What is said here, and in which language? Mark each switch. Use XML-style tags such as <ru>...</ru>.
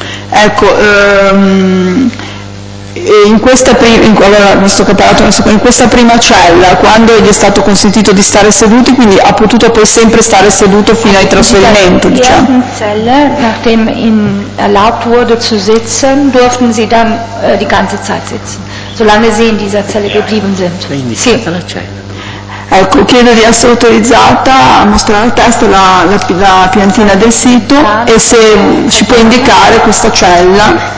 <it>Ecco, in questa prima cella, quando gli è stato consentito di stare seduti, quindi ha potuto poi sempre stare seduto fino al trasferimento, diciamo. In questa cella,</it> <de>nachdem ihm erlaubt wurde zu sitzen, durften sie dann die ganze Zeit sitzen, solange sie in dieser Zelle geblieben sind.</de> <it>Sì. Ecco, chiedo di essere autorizzata a mostrare il testo, la piantina del sito, e se ci può indicare questa cella.</it>